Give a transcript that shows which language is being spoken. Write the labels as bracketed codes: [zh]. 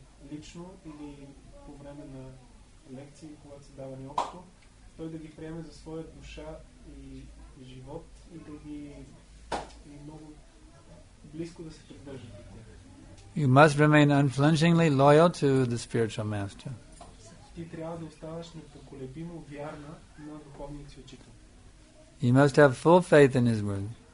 [bg] Лично или по време на лекции, когато са давани общо, той да ги приеме за своя душа и живот и да ги и много близко да се придържа. [en] You must remain unflinchingly loyal to the spiritual master. [bg] Ти трябва да оставаш непоколебимо вярна на духовния си учител. [en] You must have full faith in his word.